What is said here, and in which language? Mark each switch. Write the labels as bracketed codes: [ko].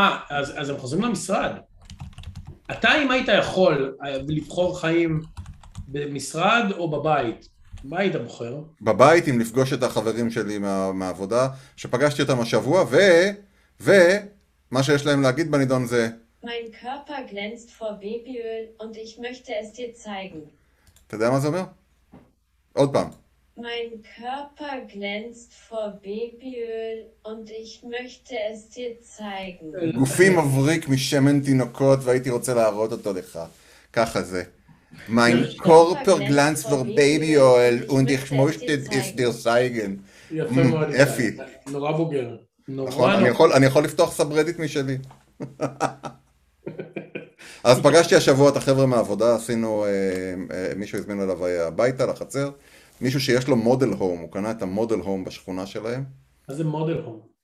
[he] אז הם חוזרים למשרד. אתה, אם היית יכול לבחור חיים במשרד או בבית? מה היית בוחר? בבית, אם לפגוש את החברים שלי מהעבודה, שפגשתי אותם השבוע, ו... ו... מה שיש להם להגיד בנידון זה... [de] Mein Körper glänzt vor Babyöl und ich möchte es dir zeigen. [he] אתה יודע מה זה אומר? עוד פעם. [de] Mein Körper glänzt vor Babyöl und ich möchte es dir zeigen. [he] גופי מבריק משמן תינוקות והייתי רוצה להראות אותו לך. ככה זה. [de] Mein Körper glänzt vor Babyöl und ich möchte es dir zeigen. [he] יפי. נורא בוגר. נכון, אני יכול לפתוח סאבריידיט משלי. אז פגשתי השבוע את החבר'ה מהעבודה, עשינו, מישהו הזמין אליו הביתה, לחצר, מישהו שיש לו מודל הום, הוא קנה את המודל הום בשכונה שלהם. מה זה מודל הום?